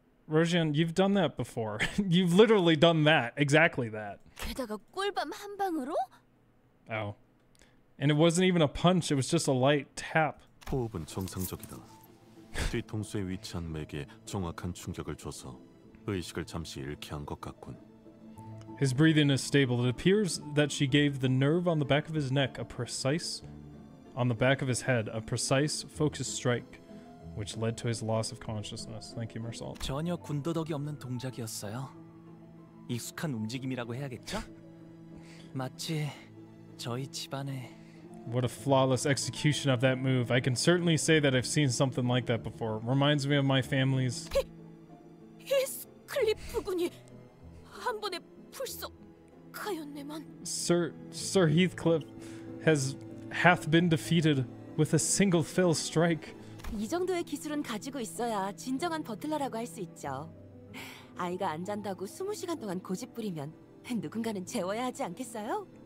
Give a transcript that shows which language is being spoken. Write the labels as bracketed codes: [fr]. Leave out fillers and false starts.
[en] Rojan, you've done that before. You've literally done that. Exactly that. [ko] 게다가 꿀밤 한 방으로? [en] Oh. And it wasn't even a punch. It was just a light tap. [ko] 호흡은 정상적이다. 뒤통수에 위치한 맥에 정확한 충격을 줘서 의식을 잠시 잃게 한 것 같군. [en] His breathing is stable. It appears that she gave the nerve on the back of his neck a precise, on the back of his head, a precise, focused strike, which led to his loss of consciousness. Thank you, Marsal. [ko] 전혀 군더더기 없는 동작이었어요. 익숙한 움직임이라고 해야겠죠? 마치 저희 집안에. [en] What a flawless execution of that move! I can certainly say that I've seen something like that before. Reminds me of my family's. [ko] Heathcliff군이 한 번에 풀썩 가였네만. [en] Sir Heathcliff hath been defeated with a single fell strike. [ko] 이 정도의 기술은 가지고 있어야 진정한 버틀러라고 할 수 있죠. 아이가 안 잔다고 20시간 동안 고집 부리면 누군가는 재워야 하지 않겠어요?